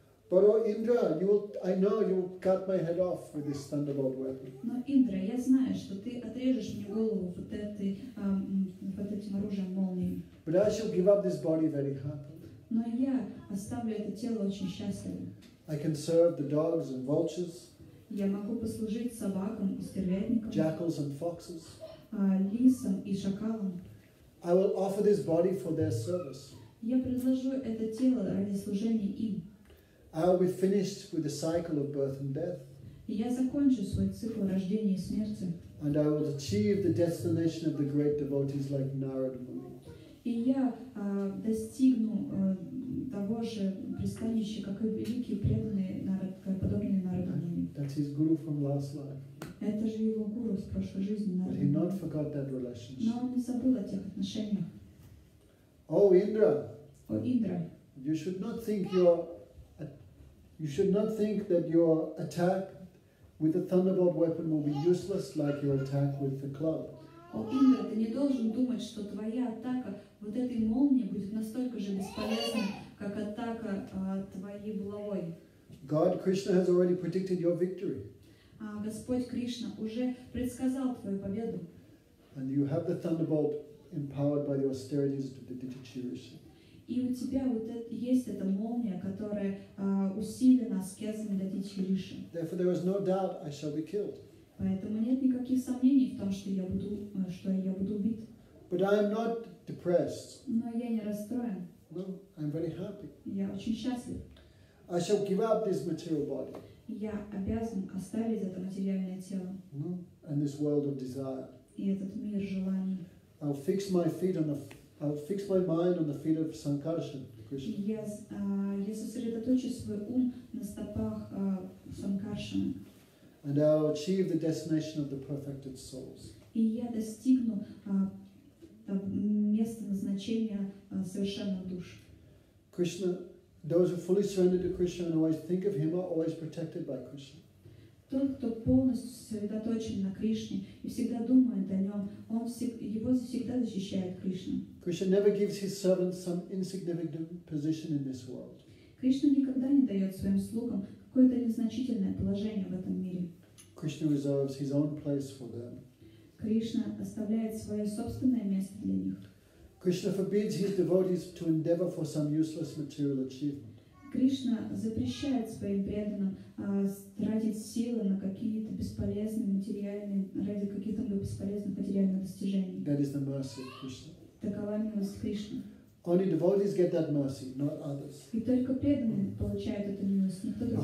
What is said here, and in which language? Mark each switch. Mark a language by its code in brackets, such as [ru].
[en] But oh Indra, I know you cut my head off with this thunderbolt weapon. [ru] Но Индра, я знаю, что ты отрежешь мне голову вот этой вот этим оружием молнии. [en] But I shall give up this body very happily. [ru] Но я оставлю это тело очень счастливо. [en] I can serve the dogs and vultures. [ru] Я могу послужить собакам и стервятникам. [en] Jackals and foxes. [ru] Лисам и шакалам. [en] I will offer this body for their service. [ru] Я предложу это тело ради служения им. [en] I will be finished with the cycle of birth and death. [ru] Я закончу свой цикл рождения и смерти. [en] And I will achieve the destination of the great devotees like Narada Muni. [ru] И я достигну того же пристанища, как и великие преданные Нарад, подобные Нарада Муни. [en] That's his guru from last life. [ru] Это же его гуру с прошлой жизни. [en] But he not forgot that relationship. [ru] Но он не забыл о тех отношениях. [en] Oh Indra. Oh Indra. You should not think you're. You should not think that your attack with the thunderbolt weapon will be useless like your attack with the club. [ru] Oh, Indra, ты не должен думать, что твоя атака вот этой молнией будет настолько же бесполезна, как атака твоей булавой. [en] God Krishna has already predicted your victory. [ru] Господь Кришна уже предсказал твою победу. [en] And you have the thunderbolt empowered by the austerities of the Dittichirishi. [ru] И у тебя вот есть эта молния, которая усилена аскезами Дадичи Риши. [en] Therefore, there is no doubt I shall be killed. [ru] Поэтому нет никаких сомнений в том, что я буду убит. [en] But I am not depressed. [ru] Но я не расстроен. [en] No, I'm very happy. [ru] Я очень счастлив. [en] I shall give up this material body. [ru] Я обязан оставить это материальное тело. [en] No, and this world of desire. [ru] И этот мир желаний. [en] I'll fix my feet on a I'll fix my mind on the feet of Sankarsan, Krishna. [ru] Yes, я сосредоточу свой ум на стопах Sankarsan. [en] And I'll achieve the destination of the perfected souls. [ru] И я достигну места назначения совершенных душ. [en] Krishna, those who fully surrender to Krishna and always think of him are always protected by Krishna. [ru] Тот, кто полностью сосредоточен на Кришне и всегда думает о нем, он его всегда защищает Кришна. [en] Krishna never gives his servants some insignificant position in this world. [ru] Кришна никогда не дает своим слугам какое-то незначительное положение в этом мире. [en] Krishna reserves his own place for them. [ru] Кришна оставляет свое собственное место для них. [en] Krishna forbids his devotees to endeavor for some useless material achievement. [ru] Кришна запрещает своим преданным тратить силы на какие-то бесполезные материальные ради каких-то бесполезных материальных достижений. [en] That is the mercy of Krishna. [ru] Такова милость Кришны. [en] Only devotees get that mercy, not others. [ru] И только преданные получают эту милость, никто другой.